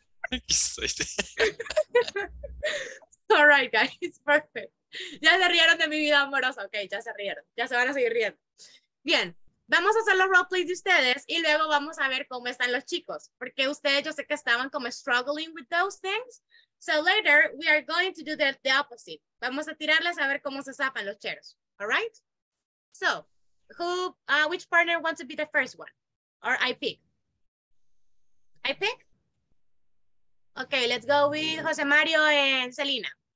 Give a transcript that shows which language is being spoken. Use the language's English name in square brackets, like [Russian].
[Spanish] Aquí estoy. [English] All right, guys, perfect. [Spanish] Ya se rieron de mi vida amorosa. Ok, ya se rieron. Ya se van a seguir riendo. Bien, vamos a hacer los roleplays de ustedes y luego vamos a ver cómo están los chicos. Porque ustedes, yo sé que estaban como [English] struggling with those things. So later, we are going to do the opposite. [Spanish] Vamos a tirarles a ver cómo se zapan los cheros. [English] All right? So, which partner wants to be the first one? Or I pick? Okay, let's go with Jose Mario and Selena.